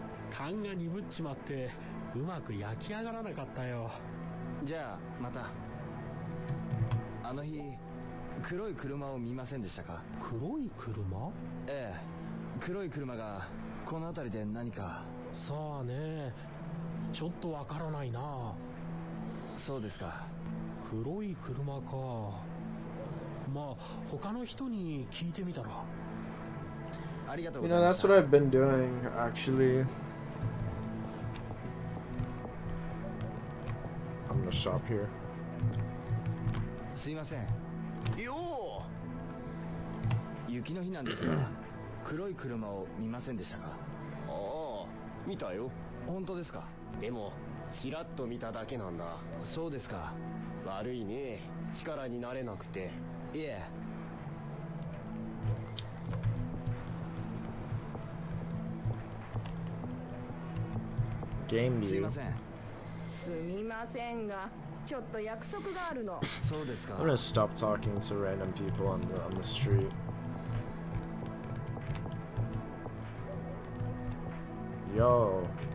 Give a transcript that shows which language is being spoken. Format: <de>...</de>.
<ja>勘が鈍っちまってうまく焼き上がらなかったよ。じゃあまた。あの日黒い車を見ませんでしたか。黒い車？ええ、黒い車がこの辺りで何か。さあね、ちょっとわからないな。そうですか。黒い車か。ま他の人に聞いてみたら。ありがとうございます。</ja> <en>You know, that's what I've been doing, actually. I'm gonna shop here.</en> <ja>すいません。よお。雪の日なんですが、黒い車を見ませんでしたか。ああ、見たよ。本当ですか。でも、ちらっと見ただけなんだ。そうですか。悪いね。力になれなくて。いえ。ゲームすいません。すみませんが、ちょっと約束があるの。そうですか。</ja> <en>I'm gonna stop talking to random people on the street. Yo.</en>